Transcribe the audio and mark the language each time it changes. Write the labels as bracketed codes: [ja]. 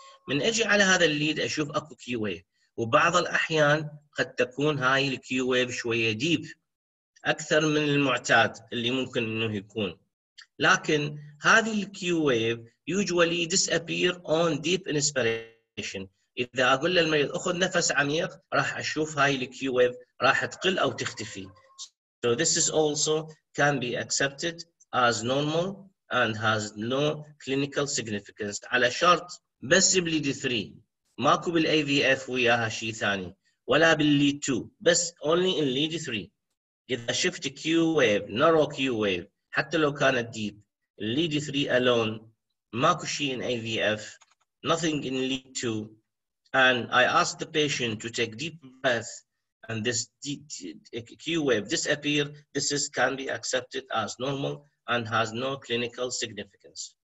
[ar] من أجي على هذا lead أشوف أكو Q wave. وبعض الأحيان قد تكون هاي الـ Q wave شوية deep أكثر من المعتاد اللي ممكن إنه يكون. لكن هذه الـ [en] Q wave usually disappear on deep inspiration. [ar] إذا أقول للمريض أخذ نفس عميق راح أشوف هاي الـ Q wave راح تقل أو تختفي. [en] So this is also can be accepted as normal and has no clinical significance. [ar] على شرط بس بليد 3 ماكو بالـ AVF وياها شيء ثاني ولا بالـ lead 2 بس [en] only in lead 3. [ar] إذا شفت [en] Q wave narrow Q wave [ar] حتى لو كانت [en] deep lead 3 alone [ar] ماكو شيء [en] in AVF nothing in lead 2 and I ask the patient to take deep breath and this Q wave disappear, this is can be accepted as normal and has no clinical significance.